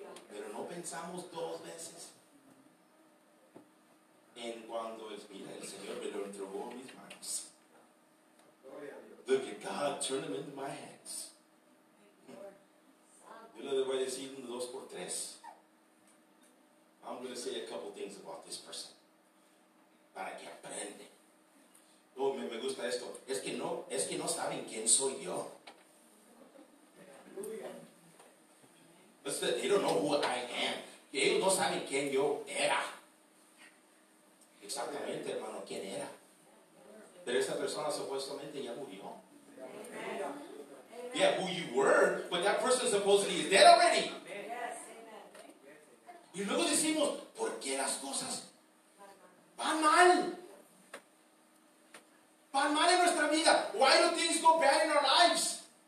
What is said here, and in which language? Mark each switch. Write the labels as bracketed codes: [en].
[es] Pero no pensamos dos veces en cuando es, mira, el Señor me lo entregó a mis manos. [en] Look at God, turn them into my hands. [es] Yo le voy a decir un dos por tres. [en] I'm going to say a couple things about this person. [es] Para que aprende. Oh, me gusta esto. Es que no saben quién soy yo. [en] They don't know who I am. [es] Ellos no saben quién yo era. Exactamente, hermano, quién era. Pero esa persona supuestamente ya murió. [en] Amen. Yeah, who you were, but that person supposedly is dead already. Yes, [es] y luego decimos, ¿por qué las cosas van mal? Van mal en nuestra vida. [en] Why do things go bad in our lives?